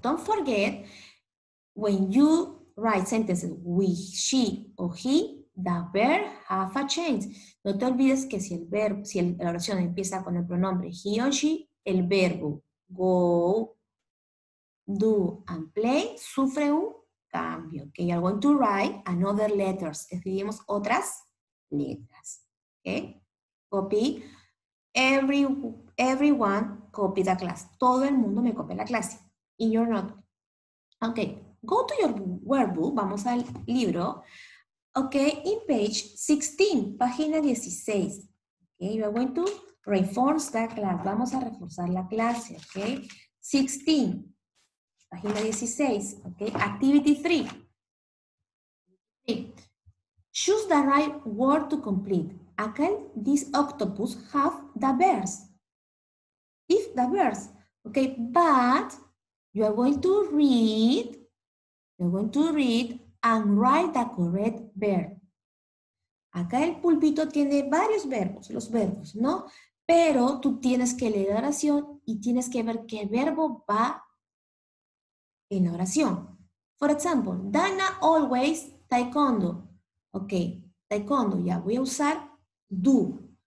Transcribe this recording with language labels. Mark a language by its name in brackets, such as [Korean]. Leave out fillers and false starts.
[English] Don't forget, when you write sentences with she o he, the verb have a change. [Spanish] No te olvides que si el verbo, si la oración empieza con el pronombre he o she, el verbo go, do, and play sufre un cambio. [English] Okay, you're going to write another letters. [Spanish] Escribimos otras [English] letras. Okay? Copy. Everyone copy the class. [Spanish] Todo el mundo me copia la clase. [English] In your notebook. Okay, go to your workbook. [Spanish] Vamos al libro. [English] Okay, in page 16, [Spanish] página 16. [English] Okay, we're going to reinforce the class. [Spanish] Vamos a reforzar la clase. [English] Okay, 16, página 16. Okay, activity 3. Choose the right word to complete. Can this octopus have the verse? If the verse, okay, but you are going to read, and write the correct verb. [Spanish] Acá el pulpito tiene varios verbos, los verbos, ¿no? Pero tú tienes que leer la oración y tienes que ver qué verbo va en la oración. [English] For example, Dana always taekwondo. Ok, taekwondo, [Spanish] ya voy a usar [English] do.